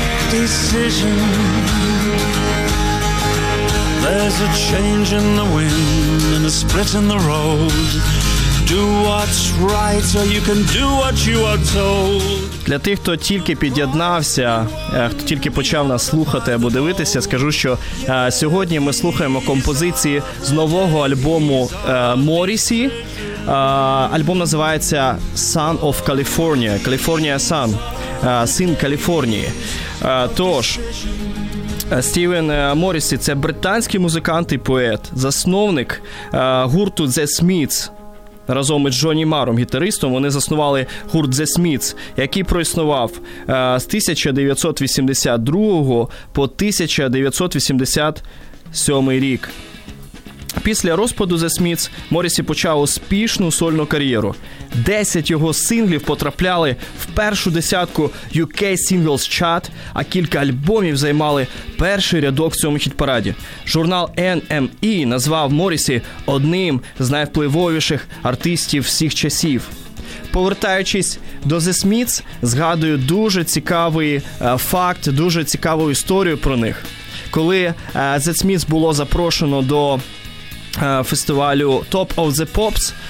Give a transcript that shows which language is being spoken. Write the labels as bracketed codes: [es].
[en] Decision. There's a change in the wind and a split in the road. Do what's right or you can do what you are told. [uk] Для тих, хто тільки під'єднався, хто тільки почав нас слухати або дивитися, скажу, що сьогодні ми слухаємо композиції з нового альбому Морісі. Альбом називається «Son of California», «California Son», «Син Каліфорнії». Тож, Стівен Морісі – це британський музикант і поет, засновник гурту «The Smiths». Разом із Джонні Маром, гітаристом, вони заснували гурт The Smiths, який проіснував з 1982 по 1987 рік. Після розпаду The Smiths Морісі почав успішну сольну кар'єру. 10 його синглів потрапляли в першу десятку UK Singles Chart, а кілька альбомів займали перший рядок в цьому хіт-параді. Журнал NME назвав Морісі одним з найвпливовіших артистів всіх часів. Повертаючись до The Smiths, згадую дуже цікавий факт, дуже цікаву історію про них. Коли The Smiths було запрошено до фестивалю Top of the Pops